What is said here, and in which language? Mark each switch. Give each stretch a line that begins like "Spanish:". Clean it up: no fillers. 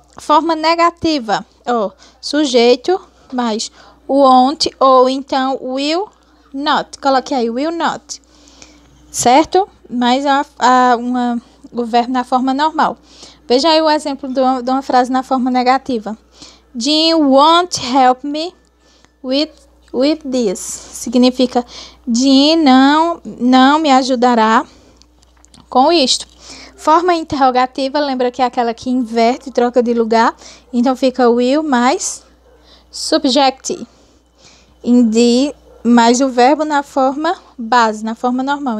Portuguese: Forma negativa. Ó, sujeito mais won't ou então will not. Coloque aí, will not. Certo? Mas o verbo na forma normal. Veja aí o exemplo de uma frase na forma negativa.
English: Jean won't help me with this.
Portuguese: Significa, Jean não me ajudará com isto. Forma interrogativa, lembra que é aquela que inverte, troca de lugar. Então, fica will mais subject. Indeed, mais o verbo na forma base, na forma normal.